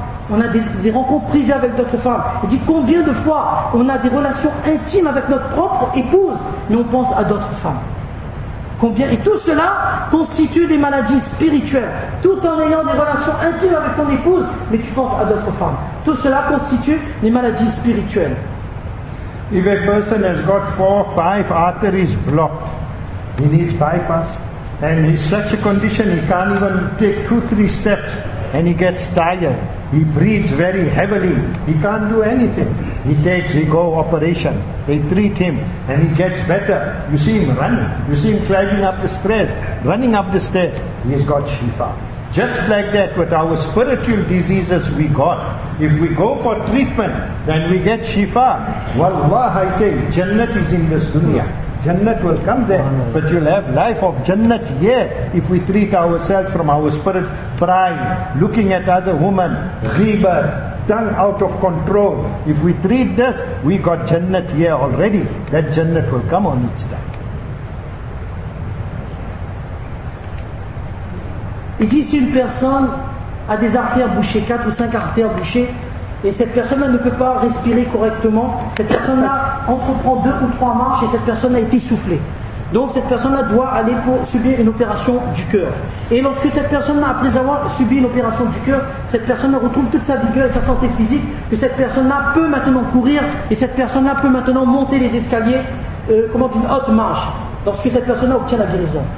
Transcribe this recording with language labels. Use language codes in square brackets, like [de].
[fr] On a des rencontres privées avec d'autres femmes. Il dit, combien de fois on a des relations intimes avec notre propre épouse, mais on pense à d'autres femmes? Combien? Et tout cela constitue des maladies spirituelles. Tout en ayant des relations intimes avec ton épouse, mais tu penses à d'autres femmes. Tout cela constitue des maladies spirituelles. [en] If a person has got 4 or 5 arteries blocked, he needs bypass, and in such a condition he can't even take 2-3 steps, and he gets tired, he breathes very heavily, he can't do anything. He goes operation, they treat him, and he gets better. You see him running, you see him climbing up the stairs, running up the stairs, he's got shifa. Just like that, with our spiritual diseases we got, if we go for treatment, then we get shifa. Wallah, I say, Jannat is in this dunya. Jannat will come there, but you'll have life of Jannat here if we treat ourselves from our spirit, pride, looking at other women, ghiba, tongue out of control. If we treat this, we got Jannat here already. That Jannat will come on each day. [fr] Il dit, si une personne a des artères bouchées, 4 ou 5 artères bouchées, et cette personne-là ne peut pas respirer correctement, cette personne-là entreprend 2 ou 3 marches et cette personne a été soufflée. Donc cette personne-là doit aller pour subir une opération du cœur. Et lorsque cette personne-là, après avoir subi une opération du cœur, cette personne-là retrouve toute sa vigueur et sa santé physique, que cette personne-là peut maintenant courir et cette personne-là peut maintenant monter les escaliers d'une haute marche, lorsque cette personne-là obtient la guérison.